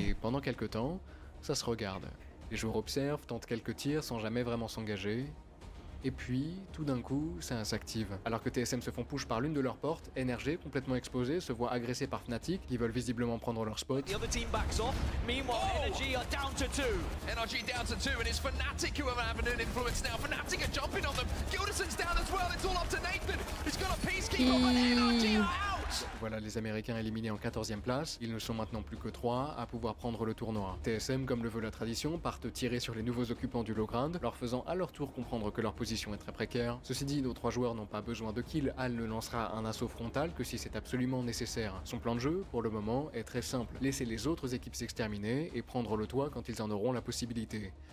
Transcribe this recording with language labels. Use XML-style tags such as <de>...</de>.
<fr>Et pendant quelques temps, ça se regarde. Les joueurs observent, tentent quelques tirs sans jamais vraiment s'engager. Et puis, tout d'un coup, ça s'active. Alors que TSM se font push par l'une de leurs portes, NRG, complètement exposé, se voit agressé par Fnatic, qui veulent visiblement prendre leur spot.</fr> <en>The other team backs off. Meanwhile, NRG are down to two. NRG down to two, and it's Fnatic who are having an influence now. Fnatic are jumping on them. Gilderson's down as well. It's all up to Nathan. He's got a peacekeeper, but NRG are out.</en> <fr>Voilà les Américains éliminés en 14e place. Ils ne sont maintenant plus que 3 à pouvoir prendre le tournoi. TSM, comme le veut la tradition, partent tirer sur les nouveaux occupants du low ground, leur faisant à leur tour comprendre que leur position est très précaire. Ceci dit, nos trois joueurs n'ont pas besoin de kill, Al ne lancera un assaut frontal que si c'est absolument nécessaire. Son plan de jeu, pour le moment, est très simple, laisser les autres équipes s'exterminer et prendre le toit quand ils en auront la possibilité.</fr>